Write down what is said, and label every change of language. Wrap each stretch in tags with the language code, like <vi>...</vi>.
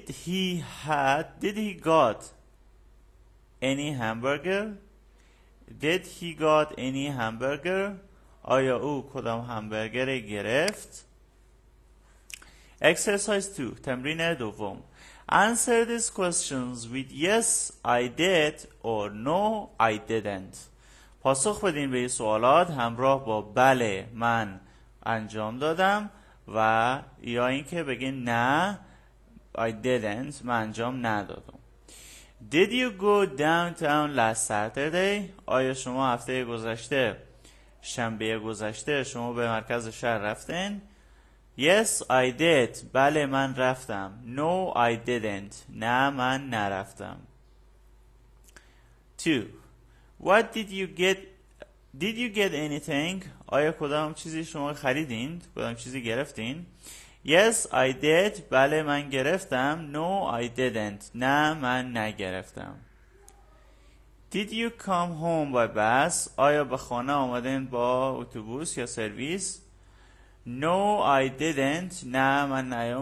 <en>Did he got any hamburger? Did he got any hamburger?</en> <fa>آیا او کدام همبرگر گرفت؟</fa> <en>Exercise 2.</en> <fa>تمرین دوم.</fa> <en>Answer these questions with yes, I did or no, I didn't.</en> <fa>پاسخ بدین به این سوالات همراه با بله من انجام دادم و یا اینکه بگین نه</fa> <en>I didn't</en> <fa>من انجام ندادم.</fa> <en>Did you go downtown last Saturday?</en> <fa>آیا شما هفته گذشته شنبه گذشته شما به مرکز شهر رفتین؟</fa> <en>Yes, I did.</en> <fa>بله من رفتم.</fa> <en>No, I didn't.</en> <fa>نه من نرفتم. 2.</fa> <en>What did you get anything?</en> <fa>آیا کدام چیزی شما خریدین؟ کدام چیزی گرفتین؟</fa> <en>Yes, I did.</en> <fa>بله من گرفتم.</fa> <en>No, I didn't.</en> <fa>نه من نگرفتم.</fa> <en>Did you come home by bus?</en> <fa>آیا به خانه آمدین با اتوبوس یا سرویس؟</fa> <en>No, I didn't.</en> <fa>نه من نیامدم.</fa>